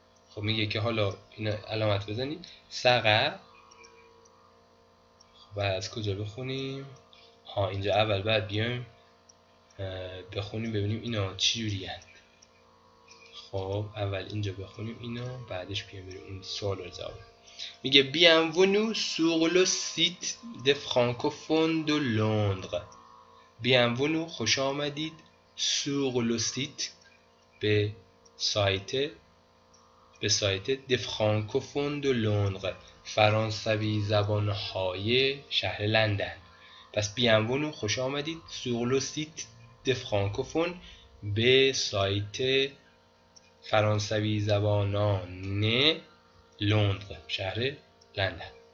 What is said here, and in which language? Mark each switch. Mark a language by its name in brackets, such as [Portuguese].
[Persian] خب میگه که حالا این علامت بزنید. سارا، خب از کجا بخونیم؟ ها اینجا اول بعد بیایم بخونیم ببینیم اینا چی جوری هست. خب اول اینجا بخونیم اینا، بعدش بیایم بریم این سوال رو جواب. میگه [French] bienvenue sur le site des francophones de Londres. bienvenue، [Persian] خوش آمدید، [French] sur le site، [Persian] به سایت [French] des francophones de Londres، [Persian] فرانسوی زبانهای شهر لندن. پس [French] bienvenue، [Persian] خوش آمدید، [French] sur le site des francophones، [Persian] به سایت فرانسوی زبانان لندن، شهر لندن.